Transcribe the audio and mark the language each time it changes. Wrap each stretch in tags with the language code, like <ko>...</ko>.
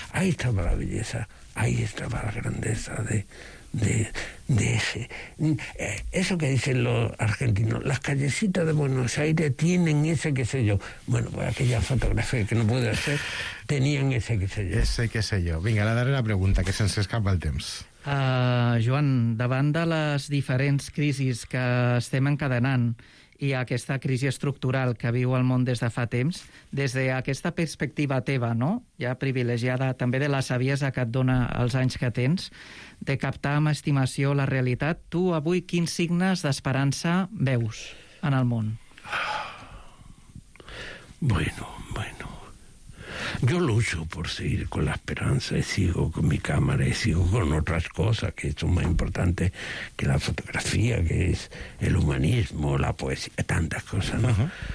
<es>Ahí estaba la belleza, ahí estaba la grandeza de ese. Eso que dicen los argentinos, las callecitas de Buenos Aires tienen ese qué sé yo. Bueno, pues aquella fotografía que no pude hacer, tenían ese qué sé yo. Ese qué sé yo.</es> <ca>Vinga, la darrera pregunta, que se'ns escapa el temps. Joan, davant de les diferents crisis que estem encadenant i aquesta crisi estructural que viu el món des de fa temps, des d'aquesta perspectiva teva, no?, ja privilegiada també de la saviesa que et dona els anys que tens, de captar amb estimació la realitat, tu avui quins signes d'esperança veus en el món?</ca> <es>Bueno. Yo lucho por seguir con la esperanza y sigo con mi cámara y sigo con otras cosas que son más importantes que la fotografía, que es el humanismo, la poesía, tantas cosas, ¿no? Uh-huh.</es>